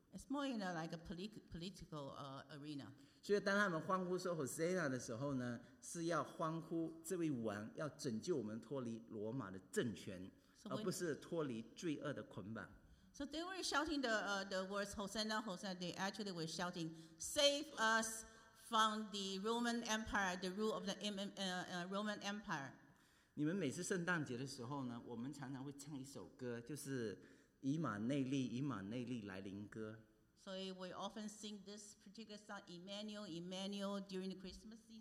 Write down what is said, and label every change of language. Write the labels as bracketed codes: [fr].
[en] It's more in a like a political arena. [zh] 所以当他们欢呼说 Hosanna 的时候呢，是要欢呼这位王要拯救我们脱离罗马的政权，而不是脱离罪恶的捆绑。 [en] So they were shouting the words Hosanna, Hosanna. They actually were shouting, "Save us from the Roman Empire, the rule of the Roman Empire." [zh] 你们每次圣诞节的时候呢，我们常常会唱一首歌，就是以马内利，以马内利来临歌。 [en] So we often sing this particular song, Emmanuel, Emmanuel, during the Christmas season.